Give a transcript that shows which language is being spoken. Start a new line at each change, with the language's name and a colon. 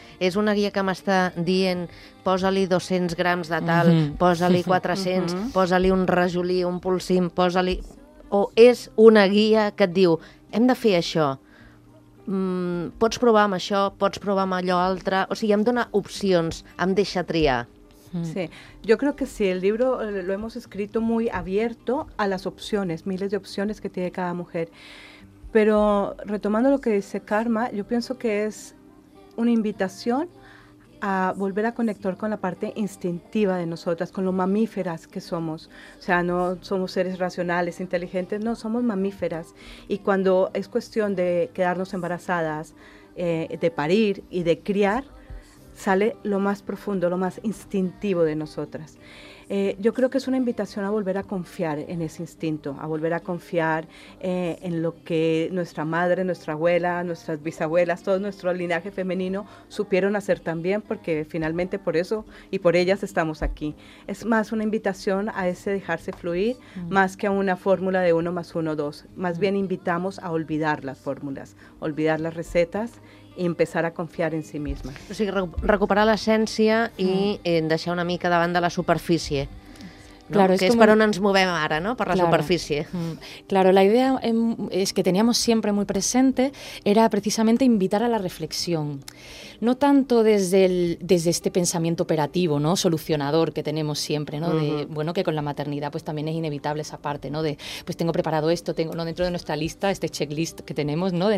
Catalan: És una guia que m'està dient posa-li 200 grams de tal, posa-li 400, posa-li un rajolí, un polsim, posa-li... O és una guia que et diu... hem de fer això, pots provar amb això, pots provar amb allò altre, o sigui, em dona opcions, em deixa triar.
Spanish: Sí, yo creo que sí, el libro lo hemos escrito muy abierto a las opciones, miles de opciones que tiene cada mujer. Pero retomando lo que dice Karma, yo pienso que es una invitación a volver a conectar con la parte instintiva de nosotras, con lo mamíferas que somos. O sea, no somos seres racionales, inteligentes, no, somos mamíferas. Y cuando es cuestión de quedarnos embarazadas, de parir y de criar, sale lo más profundo, lo más instintivo de nosotras. Yo creo que es una invitación a volver a confiar en ese instinto, a volver a confiar en lo que nuestra madre, nuestra abuela, nuestras bisabuelas, todo nuestro linaje femenino supieron hacer también, porque finalmente por eso y por ellas estamos aquí. Es más una invitación a ese dejarse fluir, más que a una fórmula de 1+1=2. Más bien invitamos a olvidar las fórmulas, olvidar las recetas, i empezar a confiar en si misma.
Catalan: O sigui, recuperar l'essència i deixar una mica davant de la superfície.
Spanish: No, claro, que es para un ansmovem ahora, ¿no? Por la superficie. Claro, la idea es que teníamos siempre muy presente era precisamente invitar a la reflexión. No tanto desde este pensamiento operativo, ¿no? Solucionador que tenemos siempre, ¿no? Que con la maternidad pues también es inevitable esa parte, ¿no? De pues tengo preparado esto, tengo no dentro de nuestra lista, este checklist que tenemos, ¿no?